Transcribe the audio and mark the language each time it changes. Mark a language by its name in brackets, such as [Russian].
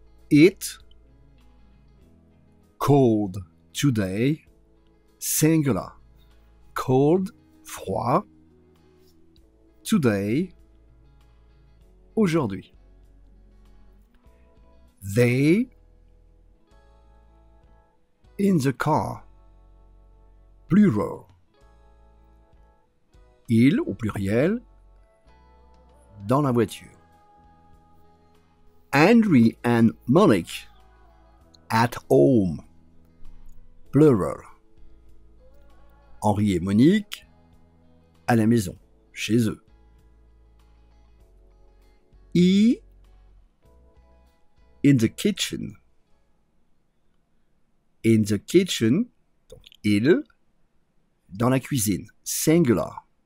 [English] It, cold, today, singular, cold, [French] froid, [English] today, [French] aujourd'hui. [English] They, in the car, plural. [French] Il, au pluriel, dans la voiture. [English] Andre and Monique, at home, plural. [French] Henri et Monique, à la maison, chez eux. [English] He, in the kitchen, in the kitchen, [French] donc il, dans la cuisine, [English] singular.